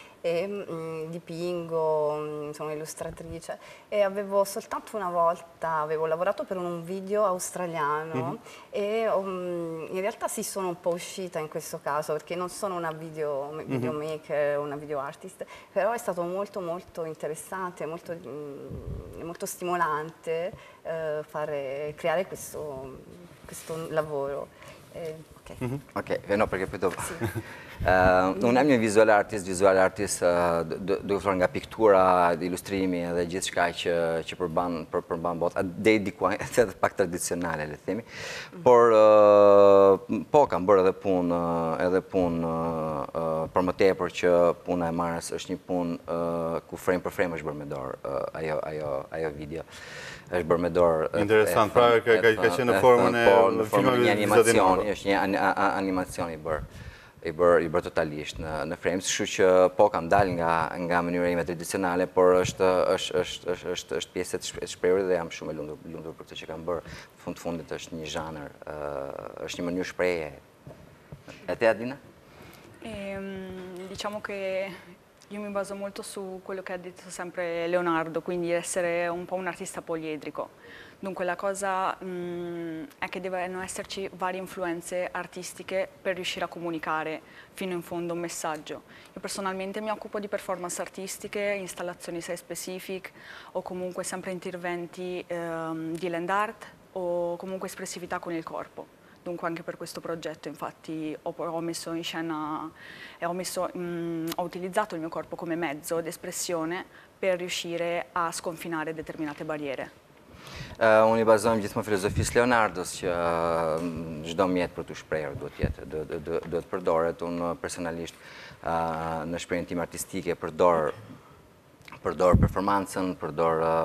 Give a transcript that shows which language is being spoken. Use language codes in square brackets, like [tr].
[it] e dipingo, sono illustratrice e avevo soltanto una volta, avevo lavorato per un video australiano e in realtà sì, sono un po' uscita in questo caso perché non sono una videomaker, una video artist, però è stato molto molto interessante, molto, molto stimolante creare questo lavoro. Ok, no, perché poi dopo... Sì. [sq] Unë jam një vizual artist duke filluar nga piktura, ilustrimi edhe gjithçka që përmban botë, deri diku edhe pak tradicionale, le të themi. Por po kam bërë edhe punë për më tepër, që puna e marrës është një punë ku frame për frame është bërë me dorë ajo video. Është bërë me dorë. Interesant, pra ka qenë në formën e filmave animacioni, është një animacion i bër totalisht në frames, kështu që po kam dalë nga mënyra ime tradicionale, por është pjesë e shprehur dhe jam shumë e lumtur për këtë që kam bër. Fund fundit është një zhanër, është një mënyrë shprehje. E te, Adina? [it] Diciamo che io mi baso molto su quello che ha detto sempre Leonardo, quindi essere un po' un artista poliedrico. Dunque la cosa è che devono esserci varie influenze artistiche per riuscire a comunicare fino in fondo un messaggio. Io personalmente mi occupo di performance artistiche, installazioni site specific o comunque sempre interventi di land art o comunque espressività con il corpo. Dunque anche per questo progetto infatti ho messo in scena e ho utilizzato il mio corpo come mezzo d'espressione per riuscire a sconfinare determinate barriere. [sq] Unë i bazojmë gjithmonë filozofisë Leonardos që çdo mjet për të shprehur duhet jetë duhet përdoret. Unë personalisht në shprehjen tim artistike përdor performancën, përdor